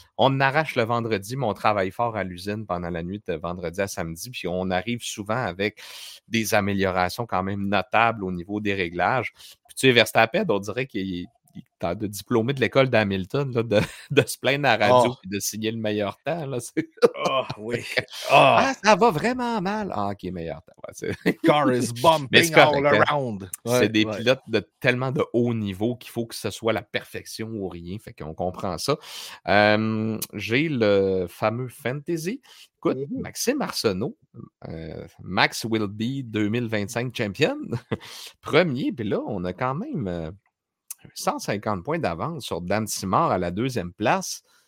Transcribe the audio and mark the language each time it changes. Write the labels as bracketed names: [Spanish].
[French] On arrache le vendredi, mais on travaille fort à l'usine pendant la nuit de vendredi à samedi. Puis on arrive souvent avec des améliorations quand même notables au niveau des réglages. Puis tu es Verstappen, on dirait qu'il est de diplômé de l'école d'Hamilton là, de se plaindre à la radio et de signer le meilleur temps. Là. Oh, oui. Oh. Ah, ça va vraiment mal. Ah, OK, meilleur temps. Ouais, [English] car is bumping correct, all around. [French] Hein. C'est des pilotes de tellement de haut niveau qu'il faut que ce soit la perfection ou rien. Fait qu'on comprend ça. J'ai le fameux fantasy. [English] Écoute, Maxime Arsenault, Max will be 2025 champion. [French] Premier, puis là, on a quand même 150 points d'avance sur Dan Simard à la deuxième place.